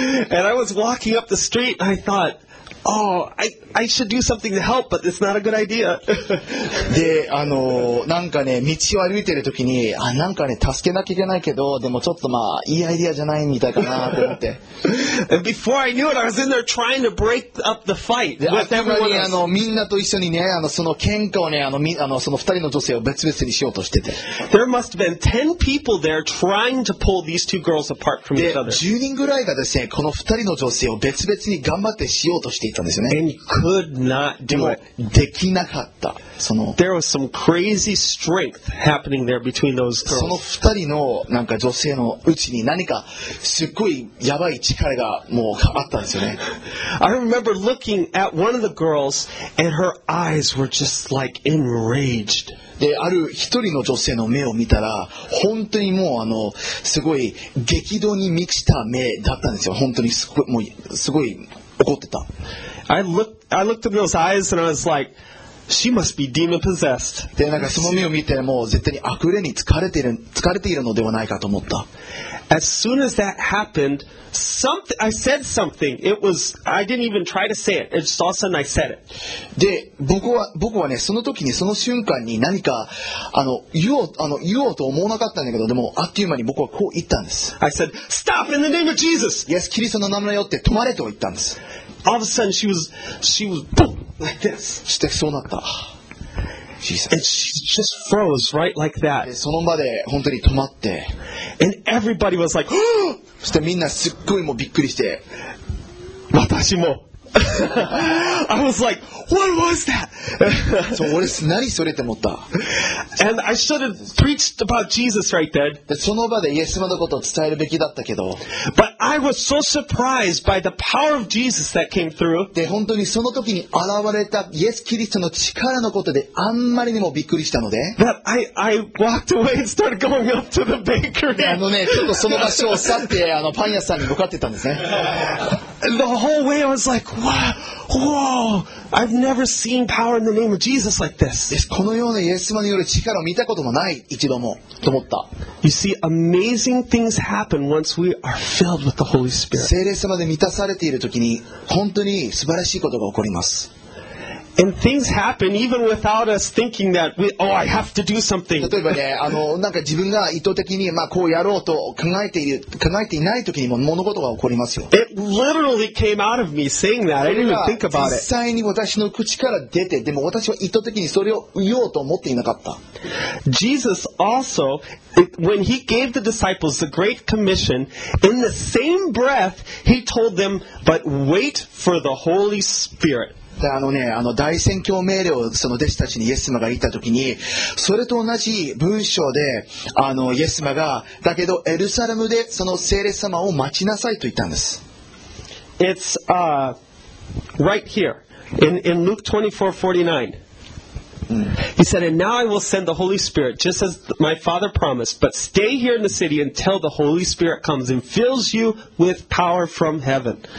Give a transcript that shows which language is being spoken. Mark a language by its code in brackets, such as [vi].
[en] And I was walking up the street and I thought, oh, I should do something to help, but it's not a good idea. [ja] で、なんかね、道を歩いてるときに、なんかね、助けなきゃいけないけど、でもちょっとまあ、いいアイディアじゃないみたいかなと思って。 [en] And before I knew it, I was in there trying to break up the fight with everyone else. [ja] みんなと一緒にね、その喧嘩をね、その二人の女性を別々にしようとしてて。 [en] There must have been 10 people there trying to pull these two girls apart from each other. [ja] で、10人ぐらいがですね、この二人の女性を別々に頑張ってしようとしていたんですよね。 [en] And could not do it. [ja] できなかった。 [en] There was some crazy strength happening there between those girls. [ja] その二人のなんか女性のうちに何かすっごいやばい力がもうあったんですよね。 [en] I remember looking at one of the girls and her eyes were just like enraged. [ja] で、ある一人の女性の目を見たら本当にもうすごい激動に満ちた目だったんですよ。本当にすごいもうすごい怒ってた。 [en] I looked at those eyes and I was like. She must be demon possessed. [ja] で、なんかその目を見て、もう絶対に悪霊に疲れているのではないかと思った。 [en] As soon as that happened, I said something. I didn't even try to say it. It's all of a sudden I said it. [ja] で、僕はね、その時にその瞬間に何か言おうと思わなかったんだけど、でもあっという間に僕はこう言ったんです。 [en] I said, "Stop in the name of Jesus." [ja] イエス・キリストの名前よって止まれと言ったんです。 [en] All of a sudden she was boom. [ja] そしてそうなった。 [en] And she just froze right like that. [ja] その場で本当に止まって。 [en] And everybody was like, [ja] そしてみんなすっごいもうびっくりして。私も。 [en] I was like, what was that? [ja] そう、俺何それって思った。 [en] And I should have preached about Jesus right then. [ja] その場でイエス様のことを伝えるべきだったけど。 [en] But I was so surprised by the power of Jesus that came through. [ja] で、本当にその時に現れたイエス・キリストの力のことであんまりにもびっくりしたので。 [en] That I walked away and started going up to the bakery. [ja] あのね、ちょっとその場所を去ってパン屋さんに向かってたんですね。 [en] The whole way I was like,Whoa! I've never seen power in the name of Jesus like this. [ja] このようなイエス様による力を見たこともない一度もと思った。 [en] You see, amazing things happen once we are filled with the Holy Spirit. [ja] 聖霊様で満たされているときに本当に素晴らしいことが起こります。 [en] And things happen even without us thinking that we, oh, I have to do something. [ja] 例えばね、なんか自分が意図的に、まあ、こうやろうと考えていない時にも物事が起こりますよ。 [en] It literally came out of me saying that. I didn't even think about it. [ja] 実際に私の口から出て、でも私は意図的にそれを言おうと思っていなかった。 [en] Jesus also, when he gave the disciples the great commission, in the same breath, he told them, but wait for the Holy Spirit. [ja] 大宣教命令をその弟子たちにイエス様が言ったときに、それと同じ文章でイエス様が、だけどエルサレムでその聖霊様を待ちなさいと言ったんです。 [en] It's right here in Luke 24:49. He said, and now I will send the Holy Spirit just as my father promised, but stay here in the city until the Holy Spirit comes and fills you with power from heaven.